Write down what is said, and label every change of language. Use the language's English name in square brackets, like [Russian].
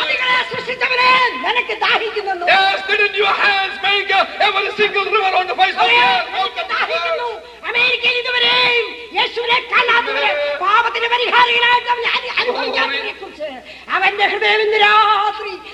[Malayalam] നദികളെ സൃഷ്ടിച്ചവനേ എനിക്ക് ദാഹിക്കുന്നു. [English] Yes, didn't your hands make every single river on the face of the earth? [Malayalam] എനിക്ക് ദാഹിക്കുന്നു. അമേരിക്കയിൽ ഇതുവരെ യേശുവിനെ കാണാത്തവരെ പാപത്തിന് പരിഹാരികളായിട്ട് അവൻ അനുഭവിക്കാത്തവരെക്കുറിച്ച് അവന്റെ ഹൃദയം ഇന്ന് രാത്രി.